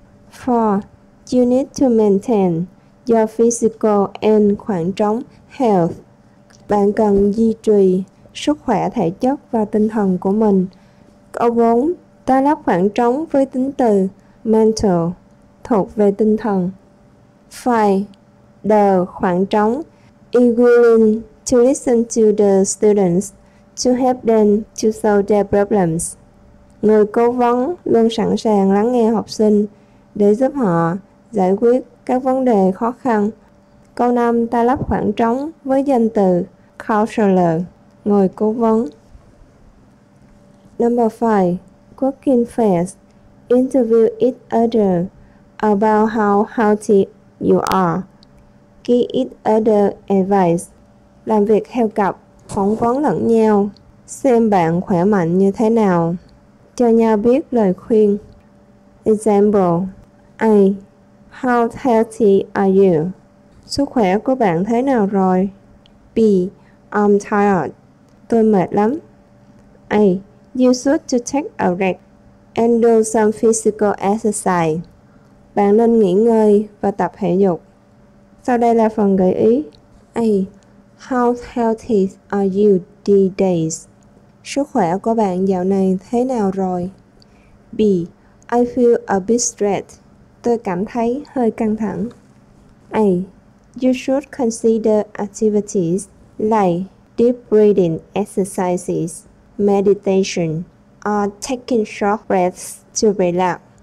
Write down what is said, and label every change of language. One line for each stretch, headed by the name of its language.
English: 4. You need to maintain your physical and
Vietnamese: khoảng trống
English: health.
Vietnamese: Bạn cần duy trì sức khỏe thể chất và tinh thần của mình. Câu 4, ta lắp khoảng trống với tính từ mental, thuộc về tinh thần. 5.
English: The
Vietnamese: khoảng trống
English: is willing to listen to the students to help them to solve their problems.
Vietnamese: Người cố vấn luôn sẵn sàng lắng nghe học sinh để giúp họ giải quyết các vấn đề khó khăn. Câu 5, ta lắp khoảng trống với danh từ counselor, người cố vấn.
English: Number 5, cooking fast, interview each other about how healthy you are. Give each other advice.
Vietnamese: Làm việc theo cặp, phỏng vấn lẫn nhau, xem bạn khỏe mạnh như thế nào. Cho nhau biết lời khuyên.
English: Example A. How healthy are you?
Vietnamese: Sức khỏe của bạn thế nào rồi? B.
English: I'm tired.
Vietnamese: Tôi mệt lắm. A.
English: You should to take a rest and do some physical exercise.
Vietnamese: Bạn nên nghỉ ngơi và tập thể dục. Sau đây là phần gợi ý. A.
English: How healthy are you these days?
Vietnamese: Sức khỏe của bạn dạo này thế nào rồi? B.
English: I feel a bit stressed.
Vietnamese: Tôi cảm thấy hơi căng thẳng. A.
English: You should consider activities like deep breathing exercises, meditation, or taking short breaths to relax.